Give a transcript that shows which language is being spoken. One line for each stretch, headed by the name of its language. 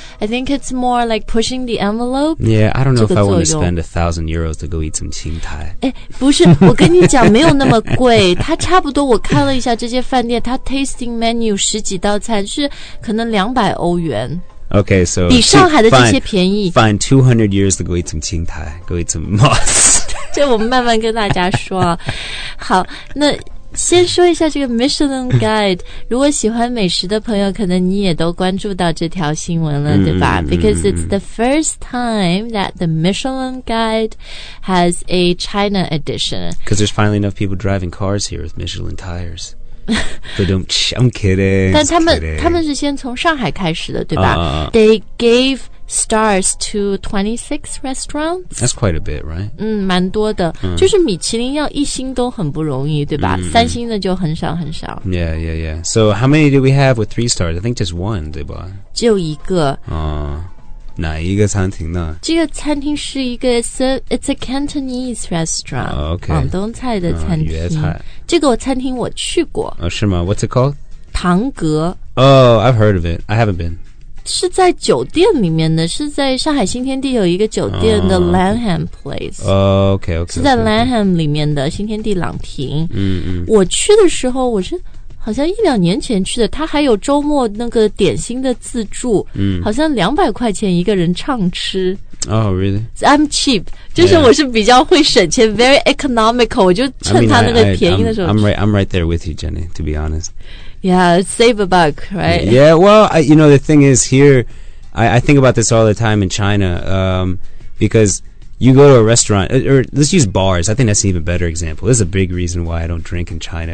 English: I think it's more like pushing the envelope. Yeah, I don't know if I want to spend €1,000 to go eat some 青苔。
Chinese: 不是，我跟你讲，没有那么贵。它差不多，我看了一下这些饭店，它 tasting menu 十几道菜是可能200欧元。
English: Okay, so
Chinese: 比上海的这些便宜。
English: Find €200 to go eat some 青苔 ，go eat some moss。
Chinese: 这我们慢慢跟大家说、啊、好，那先说一下这个 Michelin Guide， 如果喜欢美食的朋友可能你也都关注到这条新闻了、对吧？
English: Because it's the first time that the Michelin Guide has a China edition. Because there's finally enough people driving cars here with Michelin tires. But don't, I'm kidding.
Chinese: 但他们是先从上海开始的对吧、
English: They gave... stars to 26 restaurants. That's quite a bit, right?
Chinese: 蛮多的。就是米其林要一星都很不容易，对吧？三星的就很少很少。
English: Yeah, yeah, yeah. So how many do we have with 3 stars? I think just one,
Chinese: 对吧？只有一个。哪一个餐厅呢？这个餐厅是一个
English: it's a Cantonese restaurant. Okay.
Chinese: 广东菜的餐厅。粤菜。这个餐厅我去过。是吗？
English: What's it called?
Chinese: 唐阁。
English: Oh, I've heard of it. I haven't been.
Chinese: 是在酒店里面的，是在上海新天地有一个酒店的 Langham Place、
English: okay,
Chinese: 是在 Langham 里面的新天地朗廷、嗯、我去的时候我是好像一两年前去的，他还有周末那个点心的自助、好像200块钱一个人畅吃。
English: Oh, really? I'm cheap.
Chinese: 就是我是比较会省钱
English: very economical.
Chinese: 我就趁他那个便宜的时候
English: I'm right there with you, Jenny, to be honest. Yeah, save a buck, right? Yeah, well, the thing is here, I think about this all the time in China, because you go to a restaurant, or let's use bars. I think that's an even better example. This is a big reason why I don't drink in China.